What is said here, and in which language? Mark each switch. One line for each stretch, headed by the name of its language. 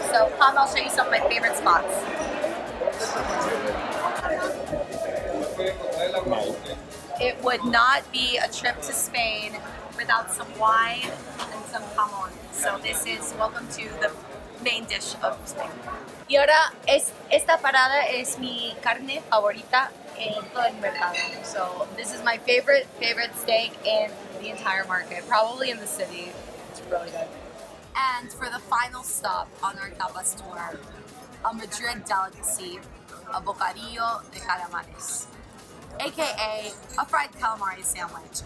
English: So come, I'll show you some of my favorite spots. It would not be a trip to Spain without some wine and some jamón. So this is welcome to the main dish of Spain.
Spanish: Y ahora, esta parada es mi carne favorita en todo el mercado.
English: So this is my favorite steak in the entire market, probably in the city. It's really good. And for the final stop on our tapas tour, a Madrid delicacy, a bocadillo de calamares, AKA a fried calamari sandwich.